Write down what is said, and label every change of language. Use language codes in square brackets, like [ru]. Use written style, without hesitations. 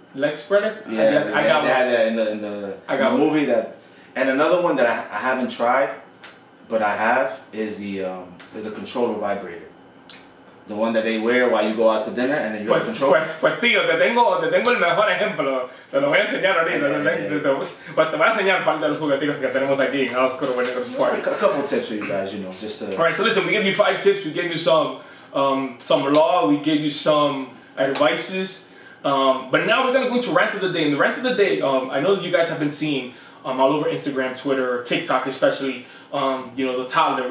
[en] leg spreader. Yeah, I got that in the movie. That, and another one that I haven't tried, but I have, is the controller vibrator. The one that they wear while you go out to dinner and then you have control. [es] Pues tío, te tengo el mejor ejemplo. Te lo voy a enseñar ahorita. Pues te voy a enseñar parte de los juguetitos que tenemos aquí en Oscuro Venero's Party. [en] A couple tips for you guys, you know, just to... All right, so listen, we gave you 5 tips. We gave you some law. We gave you some advices. But now we're going to go into rant of the day. And the rant of the day, I know that you guys have been seeing all over Instagram, Twitter, TikTok especially, you know, the toddler.